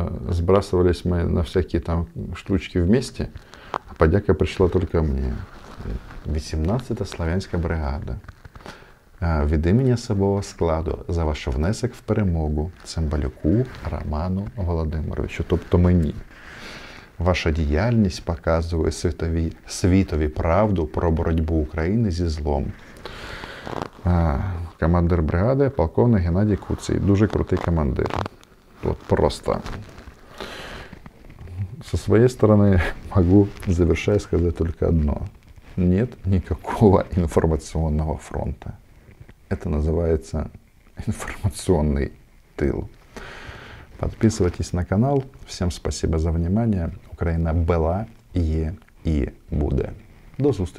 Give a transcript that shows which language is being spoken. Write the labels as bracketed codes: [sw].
[ru] Сбрасывались мы на всякие там штучки вместе, а подяка пришла только мне. 18-я славянская бригада. [uk] Веди мене особого складу за ваш внесок в перемогу Цимбалюку Роману Володимировичу, тобто мені. Ваша діяльність показує світові правду про боротьбу України зі злом. Командир бригади, полковник Геннадій Куцій. Дуже крутий командир. От просто. Со своєї сторони можу завершити сказати тільки одно. [ru] Нет никакого информационного фронта. Это называется информационный тыл. Подписывайтесь на канал. Всем спасибо за внимание. Украина была, есть и будет. До встречи.